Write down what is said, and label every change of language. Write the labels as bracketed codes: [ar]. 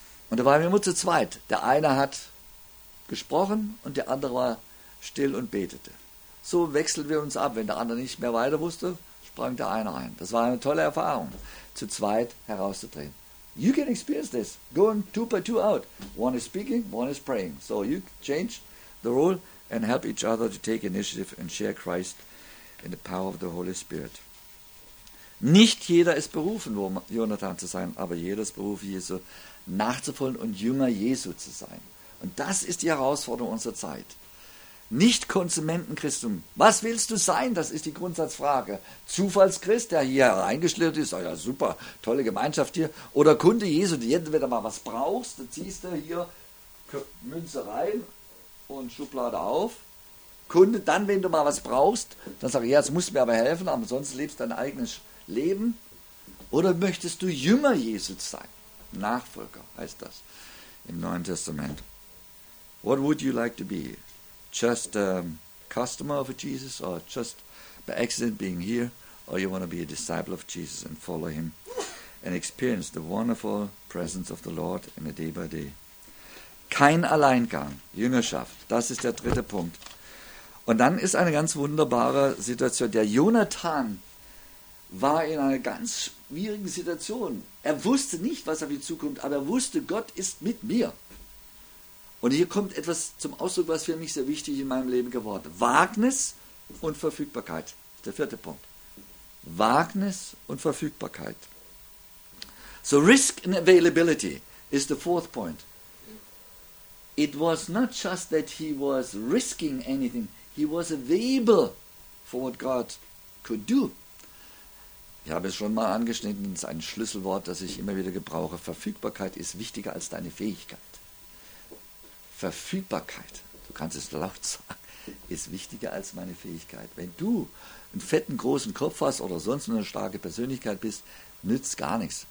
[de] Und da waren wir immer zu zweit. Der eine hat gesprochen und der andere war still und betete. So wechselten wir uns ab. Wenn der andere nicht mehr weiter wusste, sprang der eine ein. Das war eine tolle Erfahrung, zu zweit herauszudrehen. [en] You can experience this. Going two by two out. One is speaking, one is praying. So you change the role and help each other to take initiative and share Christ in the power of the Holy Spirit. [de] Nicht jeder ist berufen, Jonathan zu sein, aber jeder ist berufen, Jesu nachzufolgen und Jünger Jesu zu sein. Und das ist die Herausforderung unserer Zeit. Nicht Konsumentenchristum. Was willst du sein? Das ist die Grundsatzfrage. Zufallschrist, der hier reingeschlittert ist, oh ja super, tolle Gemeinschaft hier. Oder Kunde Jesu, die entweder mal was brauchst, dann ziehst du hier Münze rein und Schublade auf. Kunden, dann, wenn du mal was brauchst, dann sag ich, ja, jetzt musst du mir aber helfen, aber sonst lebst du dein eigenes Leben. Oder möchtest du Jünger Jesu sein? Nachfolger heißt das im Neuen Testament. [en] What would you like to be? Just a customer of Jesus or just by accident being here? Or you want to be a disciple of Jesus and follow him and experience the wonderful presence of the Lord in a day by day? [de] Kein Alleingang, Jüngerschaft, das ist der dritte Punkt. Und dann ist eine ganz wunderbare Situation. Der Jonathan war in einer ganz schwierigen Situation. Er wusste nicht, was auf ihn zukommt, aber er wusste, Gott ist mit mir. Und hier kommt etwas zum Ausdruck, was für mich sehr wichtig in meinem Leben geworden ist. Wagnis und Verfügbarkeit. Das ist der vierte Punkt. Wagnis und Verfügbarkeit. [en] So risk and availability is the fourth point. It was not just that he was risking anything. He was available for what God could do. [de] Ich habe es schon mal angeschnitten, es ist ein Schlüsselwort, das ich immer wieder gebrauche. Verfügbarkeit ist wichtiger als deine Fähigkeit. Verfügbarkeit, du kannst es laut sagen, ist wichtiger als meine Fähigkeit. Wenn du einen fetten, großen Kopf hast oder sonst eine starke Persönlichkeit bist, nützt gar nichts.